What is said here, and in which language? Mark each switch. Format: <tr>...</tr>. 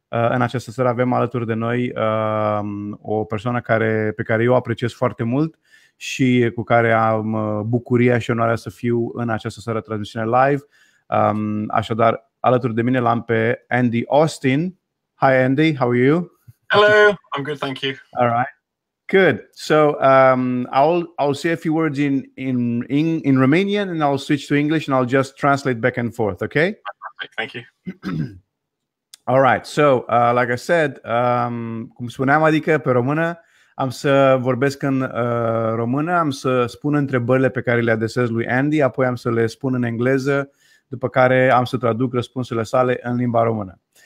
<ro>În această seară avem alături de noi o persoană pe care eu apreciez foarte mult și cu care am bucuria și onoarea să fiu în această seară transmisiune live. Așadar, alături de mine l-am pe Andy Austin.</ro> <en>Hi Andy, how are you? Hello, I'm good, thank you. All right. Good. So I'll say a few words in Romanian, and I'll switch to English, and I'll just translate back and forth. Okay. Thank you. All right. So like I said,</en> <ro>cum spuneam, adică pe română, am să vorbesc în română, am să spun întrebările pe care le adresez lui Andy, apoi am să le spun în engleză, după care am să traduc răspunsurile sale în limba română.</ro>